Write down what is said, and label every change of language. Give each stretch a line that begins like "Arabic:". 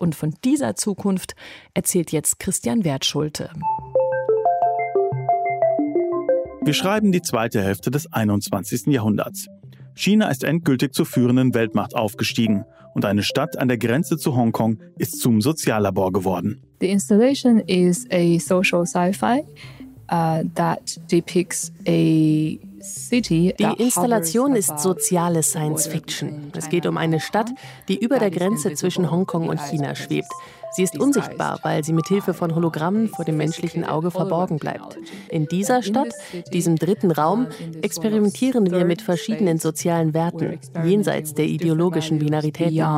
German: Und von dieser Zukunft erzählt jetzt Christian Wertschulte. Wir schreiben die zweite Hälfte des 21. Jahrhunderts. China ist endgültig zur führenden Weltmacht aufgestiegen. Und eine Stadt an der Grenze zu Hongkong ist zum Soziallabor geworden.
English: The installation is a social sci-fi that depicts a city.
German: Die Installation ist soziale Science-Fiction. Es geht um eine Stadt, die über der Grenze zwischen Hongkong und China schwebt. Sie ist unsichtbar, weil sie mithilfe von Hologrammen vor dem menschlichen Auge verborgen bleibt. In dieser Stadt, diesem dritten Raum, experimentieren wir mit verschiedenen sozialen Werten, jenseits der ideologischen Binaritäten.